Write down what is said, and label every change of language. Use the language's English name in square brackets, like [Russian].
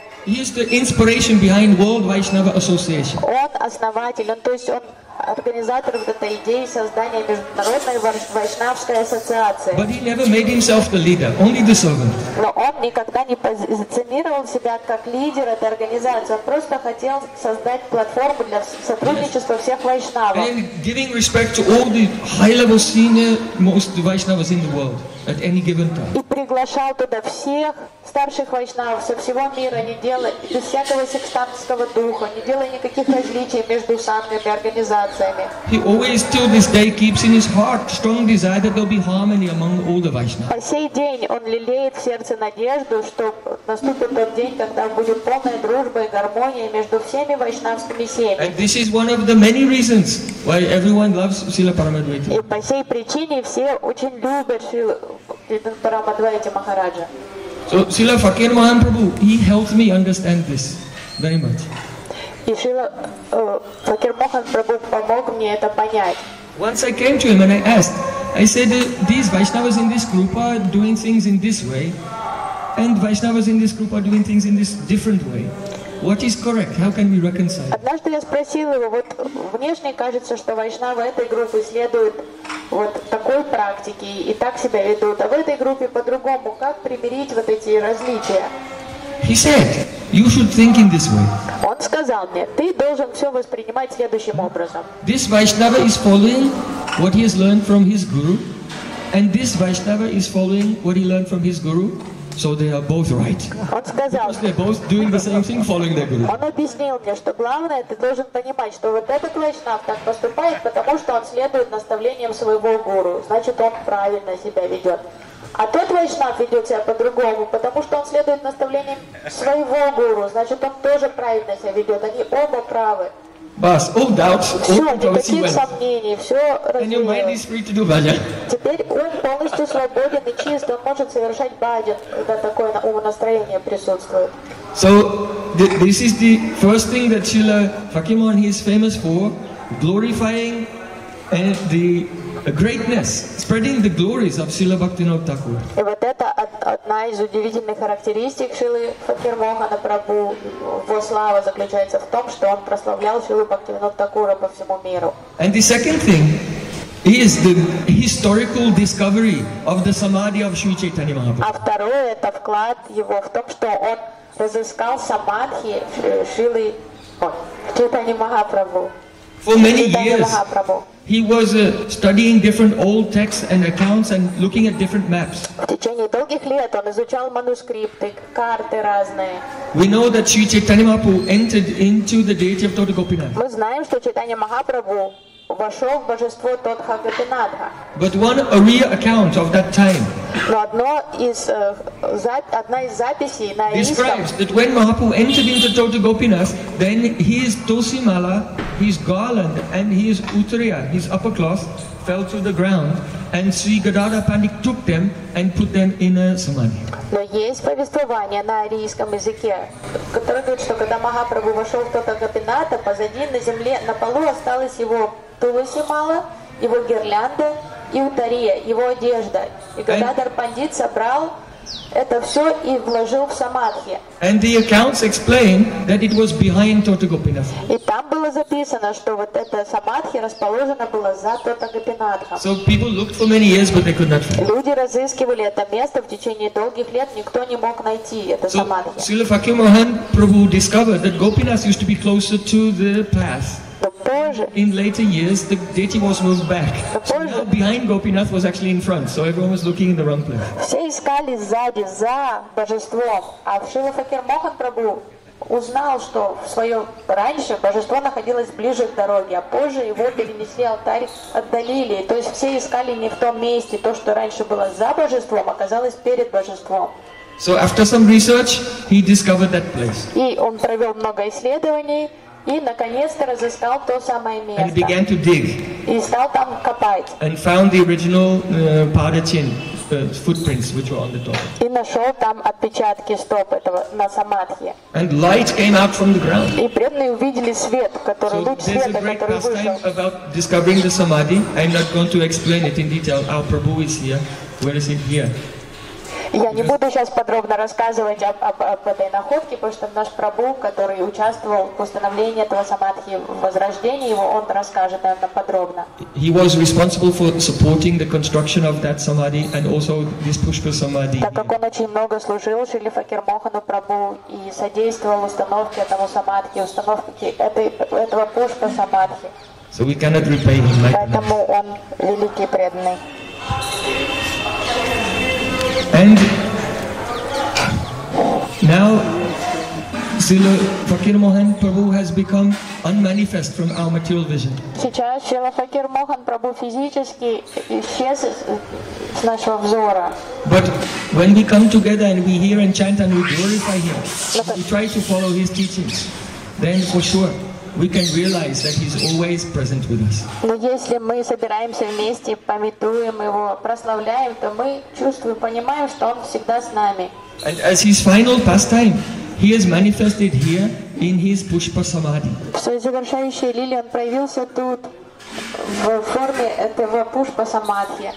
[English] He is the inspiration behind World Vaishnava Association. [Russian] Он основатель, он, то есть он организатор вот этой идеи создания международной вайшнавской ассоциации. [English] But he never made himself the leader, only the servant. [Russian] Но он никогда не позиционировал себя как лидер этой организации. Он просто хотел создать платформу для сотрудничества всех вайшнавов. [English] And giving respect to all the high-level senior most vaishnavas in the world at any given time. [Russian] И приглашал туда всех старших вайшнавов со всего мира, не делая без всякого сектантского духа, не делая никаких различий между сангами и организациями. [English] He always till this day keeps in his heart strong desire that there'll be harmony among all the vaishnavas. [Russian] По сей день он лелеет в сердце надежду, что наступит тот день, когда будет полная дружба и гармония между всеми вайшнавскими семьями. [English] And this is one of the many reasons why everyone loves Srila Paramadvaiti. [Russian] И по сей причине все очень любят Шрилу Парамадвайти Махараджа. [English] So Srila Fakir Mohan Prabhu, he helped me understand this very much. [Russian] И Srila Fakir Mohan Prabhu помог мне это понять. [English] Once I came to him and I asked, I said, these Vaishnavas in this group are doing things in this way, and Vaishnavas in this group are doing things in this different way. What is correct? How can we reconcile? [Russian] Однажды я спросил его, вот внешне кажется, что вайшнавы этой группы следуют вот такой практике и так себя ведут, а в этой группе по-другому. Как примирить вот эти различия? [English] He said, you should think in this way. [Russian] Он сказал мне, ты должен все воспринимать следующим образом. [English] This vaishnava is following what he has learned from his guru, and this vaishnava is following what he learned from his guru. So they are both right. [Russian] Он сказал, [English] because they're both doing the same thing, following their guru. [Russian] Он объяснил мне, что главное, ты должен понимать, что вот этот вайшнав так поступает, потому что он следует наставлениям своего гуру. Значит, он правильно себя ведет. А тот вайшнав ведет себя по-другому, потому что он следует наставлениям своего гуру. Значит, он тоже правильно себя ведет. Они оба правы. [English] Бас, all doubts, all controversy went. [Russian] Все, никаких сомнений, все развеялось. [English] And your mind is free to do bhajan. [Russian] Теперь ум полностью свободен и чист, он может совершать бхаджан, когда такое ум настроение присутствует. [English] So, this is the first thing that Srila Fakimon he is famous for, glorifying and the greatness, spreading the glories of Srila Bhaktivinoda Thakur. [Russian] И вот это одна из удивительных характеристик Шрилы Фахирмохана Прабху. Его слава заключается в том, что он прославлял Шрилу Бхактивинода Такура по всему миру. [English] And the second thing is the historical discovery of the samadhi of Sri Chaitanya Mahaprabhu. [Russian] А второе – это вклад его в том, что он разыскал самадхи Шрилы Чайтанья Махапрабху. [English] For many years, he was studying different old texts and accounts and looking at different maps. [Russian] В течение долгих лет он изучал манускрипты, карты разные. [English] We know that Sri Chaitanya Mahaprabhu entered into the deity of Toda Gopinath. [Russian] Мы знаем, что Чайтанья Махапрабху вошел в божество Тодха Гопинатха. [English] But one Ariya account of that time. [Russian] Но одна из записей на Ариста. [English] Describes that when Mahaprabhu entered into Toda Gopinath, then his Tosimala, his garland and his uttariya, his upper cloth, fell to the ground, and Sri Gadadhar Pandit took them and put them in a samadhi. [Russian] Но есть повествование на арийском языке, которое говорит, что когда Махапрабху вошел в Тодха Гопинатха, позади на земле, на полу осталось его тулусимала, его гирлянда и уттария, его одежда. И Гададхар Пандит собрал это все и вложил в самадхи. [English] And the accounts explain that it was behind Toda Gopinath. [Russian] И там было записано, что вот это самадхи расположено было за Тодха Гопинатхом. [English] So people looked for many years, but they could not find. [Russian] Люди разыскивали это место в течение долгих лет, никто не мог найти это самадхи. [English] So Srila Fakirmohan Prabhu discovered that Gopinath used to be closer to the path. In later years, the deity was moved back. So now behind Gopinath was actually in front, so everyone was looking in the wrong place. [Russian] Все искали сзади за божеством, а Шрила Факирмохан Прабху узнал, что в свое раньше божество находилось ближе к дороге, а позже его перенесли алтарь, отдалили. То есть все искали не в том месте, то, что раньше было за божеством, оказалось перед божеством. [English] So after some research, he discovered that place. [Russian] И он провел много исследований. И наконец-то разыскал то самое место. [English] And began to dig. [Russian] И стал там копать. [English] And found the original Padachin footprints, which were on the top. [Russian] И нашел там отпечатки стоп этого на самадхи. [English] And light came out from the ground. [Russian] И преданные увидели свет, который луч света, который вышел. [English] So there's a great pastime about discovering the samadhi. I'm not going to explain it in detail. Our Prabhu is here. Where is it here? [Russian] Я не буду сейчас подробно рассказывать об этой находке, потому что наш Прабху, который участвовал в установлении этого самадхи, в возрождении его, он расскажет это подробно. [English] He was responsible for supporting the construction of that samadhi and also this Pushpa samadhi. [Russian] Так как он очень много служил Шрили Факирмохану Прабху и содействовал установке этого самадхи, установке этого Пушпа самадхи. [English] So we cannot repay him like that. [Russian] Поэтому он великий преданный. [English] And now Srila Fakirmohan Prabhu has become unmanifest from our material vision. [Russian] Сейчас Srila Fakirmohan Prabhu физически исчез с нашего взора. [English] But when we come together and we hear and chant and we glorify him, we try to follow his teachings, then for sure we can realize that he's always present with us. [Russian] Но если мы собираемся вместе, памятуем его, прославляем, то мы чувствуем, понимаем, что он всегда с нами. [English] And as his final pastime, he has manifested here in his Pushpa Samadhi. [Russian] В своей завершающей лиле он проявился тут в форме этого Пушпа Самадхи.